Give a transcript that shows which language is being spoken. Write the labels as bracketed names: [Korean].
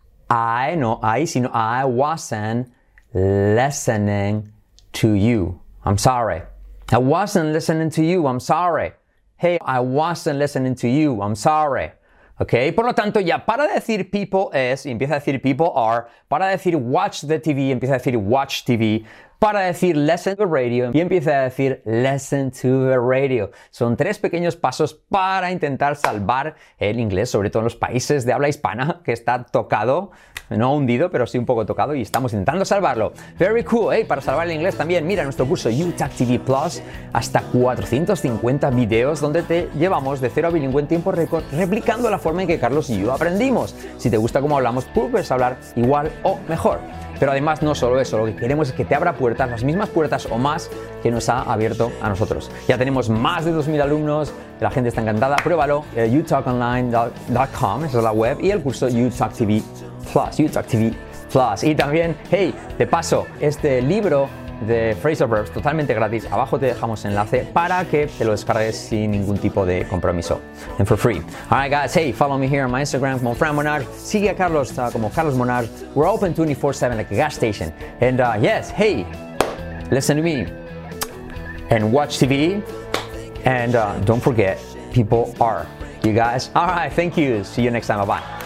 [English] I wasn't listening to you. I'm sorry. I wasn't listening to you. I'm sorry. Hey, I wasn't listening to you. I'm sorry. Okay? [Spanish] Por lo tanto, ya para decir [English] people is, [Spanish] y empieza a decir [English] people are, [Spanish] para decir [English] watch the TV, [Spanish] empieza a decir [English] watch TV, [Spanish] para decir [English] listen to the radio, [Spanish] y empieza a decir listen to the radio. Son tres pequeños pasos para intentar salvar el inglés, sobre todo en los países de habla hispana, que está tocado, no hundido, pero sí un poco tocado, y estamos intentando salvarlo. [English] Very cool, [Spanish] ¿eh? Para salvar el inglés también, mira nuestro curso UTAC TV Plus, hasta 450 videos, donde te llevamos de cero a bilingüe en tiempo récord, replicando la forma en que Carlos y yo aprendimos. Si te gusta cómo hablamos, puedes hablar igual o mejor. Pero además no solo eso, lo que queremos es que te abra puertas, las mismas puertas o más que nos ha abierto a nosotros. Ya tenemos más de 2.000 alumnos, la gente está encantada, pruébalo, utalkonline.com, esa es la web, y el curso UTAC TV Plus, UTAC TV Plus. Y también, hey, te paso este libro de Phrasal Verbs totalmente gratis, abajo te dejamos el enlace para que te lo descargues sin ningún tipo de compromiso, [English] and for free. Alright guys, hey, follow me here on my Instagram como Fran Monard, [Spanish] sigue a Carlos como Carlos Monard, [English] we're open 24/7 like a gas station, and yes, hey, listen to me, and watch TV, and don't forget, people are, you guys, alright, thank you, see you next time, bye bye.